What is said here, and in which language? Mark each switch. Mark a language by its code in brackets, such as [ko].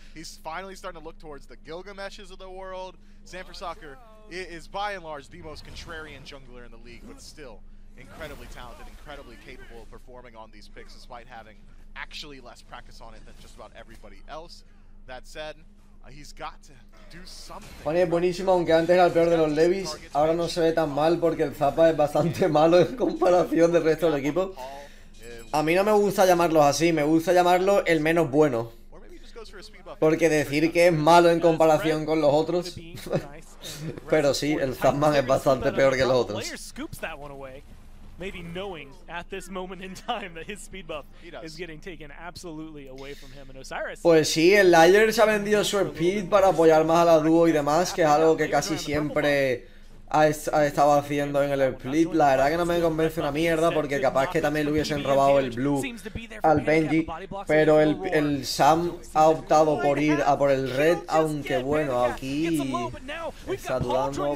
[en] He's finally starting to look towards the Gilgameshes of the world. Stand for Soccer is, by and large, the most contrarian jungler in the league, but still incredibly talented, incredibly capable of performing on these picks, despite having actually less practice on it than just about everybody else. That said, he's got to do something. [es] Pone buenísimo, aunque antes era el peor de los Levis. Ahora no se ve tan mal porque el Zappa es bastante malo en comparación del resto del equipo. A mí no me gusta llamarlos así, me gusta llamarlo el menos bueno. Porque decir que es malo en comparación con los otros. Pero sí, el Zapman es bastante peor que los otros. [en] Maybe knowing at this moment in time that his speed buff is getting taken absolutely away from him. And Osiris. [es] Pues sí, el Liger se ha vendido su speed para apoyar más a la duo y demás, que es algo que casi siempre ha estado haciendo en el split. La verdad que no me convence una mierda, porque capaz que también le hubiesen robado el blue al Benji, pero el Sam ha optado por ir a por el red, aunque bueno, aquí está dudando.